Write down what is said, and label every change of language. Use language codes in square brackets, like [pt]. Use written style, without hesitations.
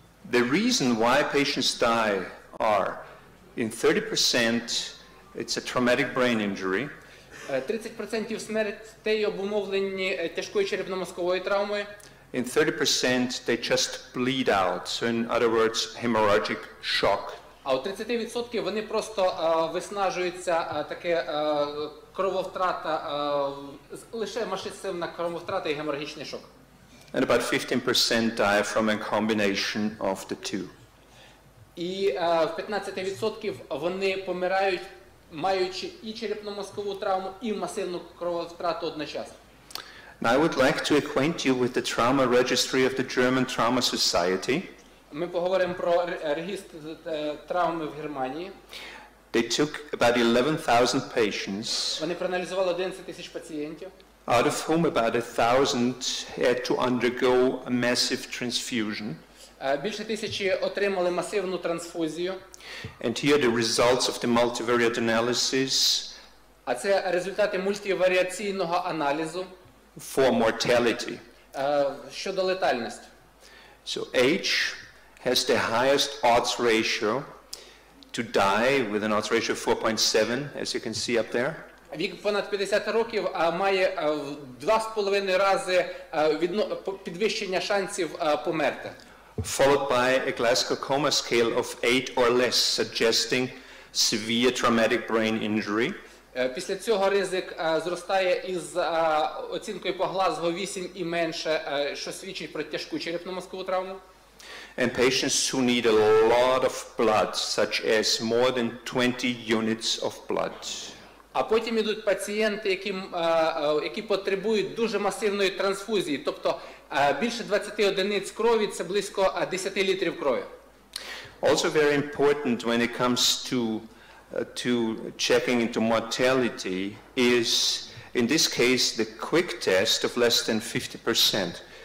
[en] The reason why patients die are in 30% it's a traumatic brain injury. [uk] 30% смертей обумовлені тяжкою черепно-мозковою травмою. [en] In 30% they just bleed out. So in other words, hemorrhagic shock. [uk] А у 30% вони просто виснажуються, таке крововтрата, лише масштабна крововтрата і геморагічний шок. [en] And about 15% die from a combination of the two. [uk] І в 15% вони помирають, маючи і черепно-мозкову травму, і масивну крововтрату одночасно. [en] Now I would like to acquaint you with the trauma registry of the German Trauma Society. [uk] Ми поговоримо про регістр травми в Германії. [en] They took about 11,000 patients. [uk] Вони проаналізували 11,000 пацієнтів. [en] Out of whom about 1,000 had to undergo a massive transfusion. [uk] Більше тисячі отримали масивну трансфузію. [en] And here the results of the multivariate analysis. [uk] А це результати мультиваріаційного аналізу. [en] For mortality. [uk] Щодо летальності. [en] So age has the highest odds ratio to die with an odds ratio of 4.7, as you can see up there. [uk] Вік понад 50 років має 2.5 рази підвищення шансів померти. [en] Followed by a Glasgow coma scale of 8 or less, suggesting severe traumatic brain injury. [uk] Після цього ризик зростає із оцінкою по Глазго 8 і менше, що свідчить про тяжку черепно-мозкову травму. [en] And patients who need a lot of blood, such as more than 20 units of blood. [uk] А потім ідуть пацієнти, які потребують дуже масивної трансфузії, тобто більше 20 одиниць крові, це близько 10 літрів крові. [en] Also very important when it comes to checking into mortality is, in this case, the quick test of less than 50%.